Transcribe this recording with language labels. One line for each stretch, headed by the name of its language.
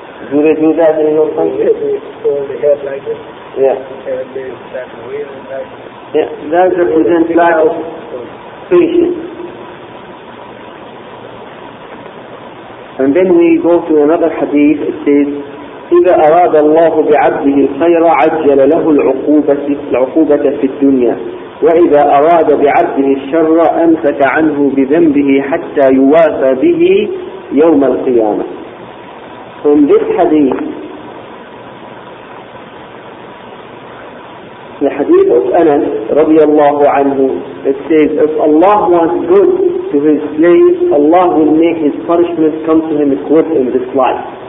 English: Do they do that in your country? Yes, they pull the head like this. Yeah. And they start wailing like this. Yeah, that represents lack of patience. And then we go to another hadith. It says,
Arabic: إذا أراد الله بعبده الخير عجل له العقوبة في الدنيا وإذا أراد بعبده الشر أمسك عنه بذنبه حتى يوافى به يوم القيامة.
English: From this hadith, the hadith of Anas رضي الله عنه, it says, if Allah wants good to his slave, Allah will make his punishment come to him quick in this life.